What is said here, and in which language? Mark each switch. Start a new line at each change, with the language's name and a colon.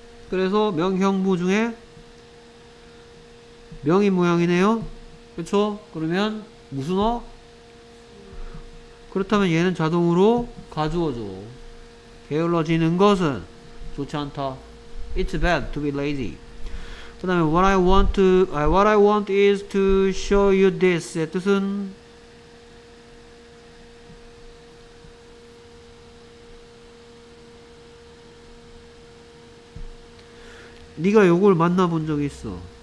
Korean: 그래서 명형부 중에 명인 모양이네요. 그쵸? 그러면 무슨 어? 그렇다면 얘는 자동으로 가주어죠. 게을러지는 것은 좋지 않다.
English: It's bad to be lazy.
Korean: 그 다음에
English: what I want is to show you this.
Korean: 의 뜻은 네가 요걸 만나본 적 있어?